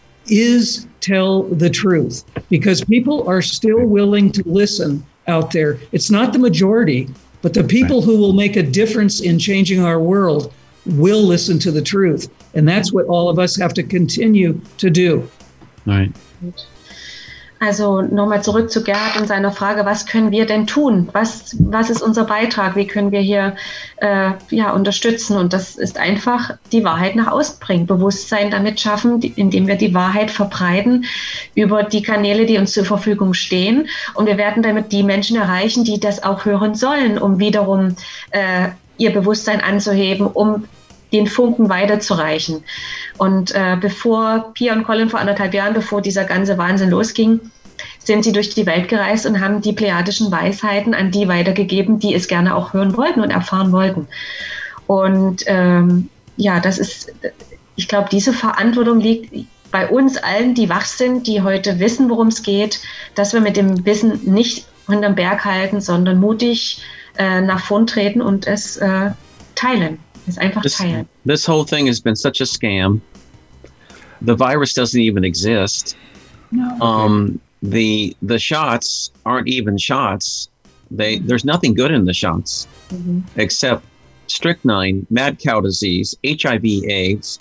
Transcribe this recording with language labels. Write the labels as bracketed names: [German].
[English] is tell the truth, because people are still willing to listen out there. It's not the majority, but the people who will make a difference in changing our world will listen to the truth. And that's what all of us have to continue to do. Right. [German] Also nochmal zurück zu Gerhard und seiner Frage, was können wir denn tun? Was ist unser Beitrag? Wie können wir hier unterstützen? Und das ist einfach die Wahrheit nach außen bringen, Bewusstsein damit schaffen, indem wir die Wahrheit verbreiten über die Kanäle, die uns zur Verfügung stehen. Und wir werden damit die Menschen erreichen, die das auch hören sollen, um wiederum ihr Bewusstsein anzuheben, um den Funken weiterzureichen. Und bevor Pia und Colin vor anderthalb Jahren, bevor dieser ganze Wahnsinn losging, sind sie durch die Welt gereist und haben die pleiadischen Weisheiten an die weitergegeben, die es gerne auch hören wollten und erfahren wollten. Und das ist, ich glaube, diese Verantwortung liegt bei uns allen, die wach sind, die heute wissen, worum es geht, dass wir mit dem Wissen nicht hinterm Berg halten, sondern mutig nach vorn treten und es teilen. [English] This whole thing has been such a scam. The virus doesn't even exist. No. The shots aren't even shots. There's nothing good in the shots, except strychnine, mad cow disease, HIV, AIDS.